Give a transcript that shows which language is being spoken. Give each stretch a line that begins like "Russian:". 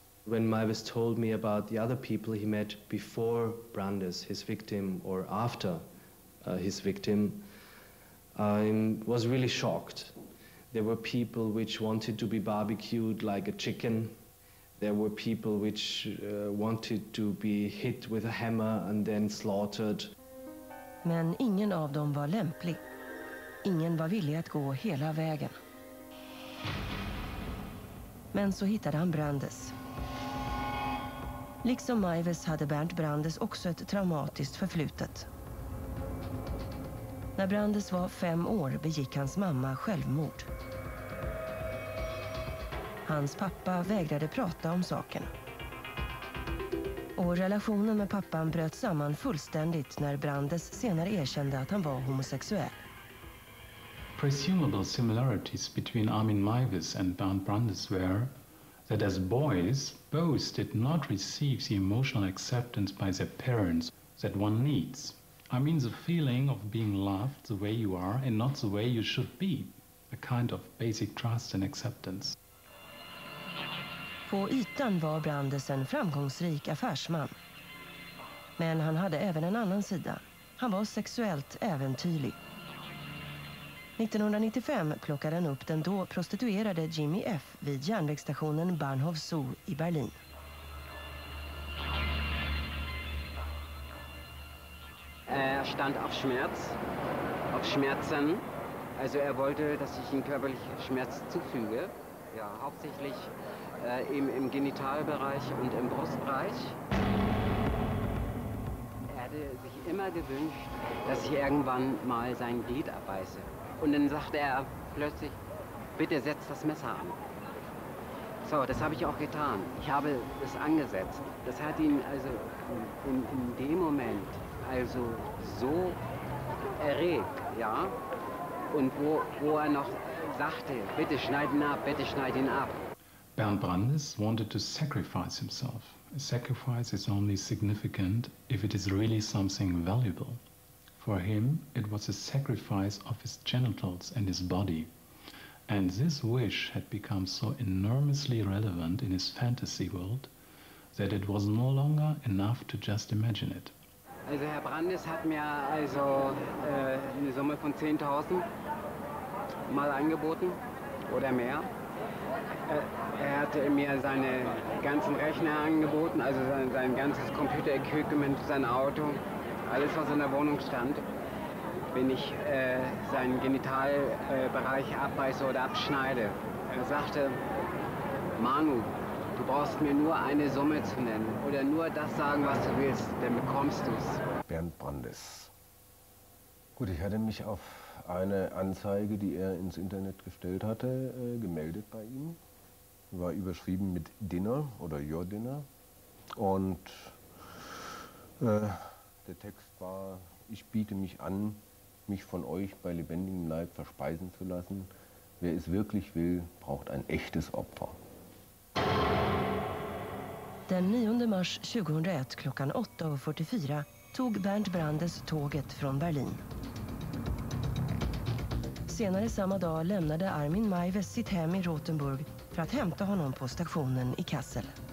English: When Maives told me about the other people he met before Brandes, his victim, or after his victim, I was really shocked. There were people which wanted to be barbecued like a chicken. There were people which wanted to be hit with a hammer and then slaughtered.
Swedish: Men ingen av dem var lämplig. Ingen var villig att gå hela vägen. Men så hittade han Brandes. Liksom Maives hade Bernt Brandes också ett traumatiskt förflutet. När Brandes var 5 år begick hans mamma självmord. Hans pappa vägrade prata om saken. Och relationen med pappan bröt samman fullständigt när Brandes senare erkände att han var homosexuell.
English: Presumable similarities between Armin Maives and Bernd Brandes were that as boys, both did not receive the emotional acceptance by their parents that one needs. I mean the feeling of being loved the way you are and not the way you should be, a kind of basic trust and acceptance.
Swedish: På ytan var Brandes en framgångsrik affärsman. Men han hade även en annan sida. Han var sexuellt äventyrlig. 1995 plockade han upp den då prostituerade Jimmy F. vid järnvägsstationen Bahnhof Zoo i Berlin.
German: Er stand auf Schmerz, auf Schmerzen. Also er wollte, dass ich ihm körperlich Schmerz zufüge. Ja, hauptsächlich im Genitalbereich und im Brustbereich. Er hatte sich immer gewünscht, dass ich irgendwann mal sein Glied abbeiße. Und dann sagte er plötzlich, bitte setz das Messer an. So, das habe ich auch getan. Ich habe es angesetzt. Das hat ihn also in dem Moment also so erregt, ja. Und wo er noch sagte, bitte schneid ihn ab, bitte schneid ihn ab.
English: Bernd Brandes wanted to sacrifice himself. A sacrifice is only significant if it is really something valuable. For him, it was a sacrifice of his genitals and his body. And this wish had become so enormously relevant in his fantasy world that it was no longer enough to just imagine it.
German: Also Herr Brandes hat mir also eine Summe von 10.000 mal angeboten oder mehr. Er hatte mir seine ganzen Rechner angeboten, also sein ganzes Computer-Equipment, sein Auto, alles, was in der Wohnung stand. Wenn ich seinen Genitalbereich abbeiße oder abschneide, er sagte, Manu, du brauchst mir nur eine Summe zu nennen oder nur das sagen, was du willst, dann bekommst du es. Bernd Brandes. Gut, ich hatte mich auf eine Anzeige, die er ins Internet gestellt hatte, gemeldet bei ihm. War überschrieben mit Dinner oder Your Dinner. Und der Text war, ich biete mich an, mich von euch bei lebendigem Leib verspeisen zu lassen. Wer es wirklich will, braucht ein echtes Opfer.
Swedish: Den 9. Mars 2001, klockan 8.44, tog Bernd Brandes tåget från Berlin. Senare samma dag lämnade Armin Meiwes sitt hem i Rothenburg för att hämta honom på stationen i Kassel.